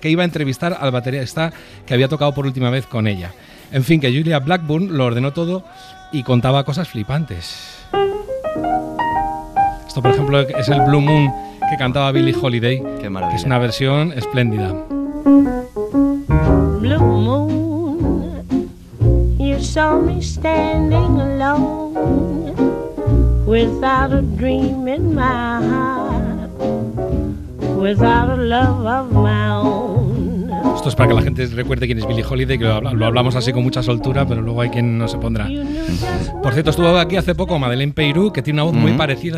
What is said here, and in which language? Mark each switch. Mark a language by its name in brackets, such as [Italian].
[Spanish] Que iba a entrevistar al baterista que había tocado por última vez con ella. En fin, que Julia Blackburn lo ordenó todo y contaba cosas flipantes. Esto, por ejemplo, es el Blue Moon que cantaba Billie Holiday. Qué maravilla. Que es una versión espléndida. [English] Blue Moon, you saw me standing alone, without a dream in my heart, without a love of my own. [Spanish] Esto es para que la gente recuerde quién es Billie Holiday, que lo hablamos así con mucha soltura, pero luego hay quien no se pondrá. Por cierto, estuvo aquí hace poco Madeleine Peyrou, que tiene una voz muy parecida,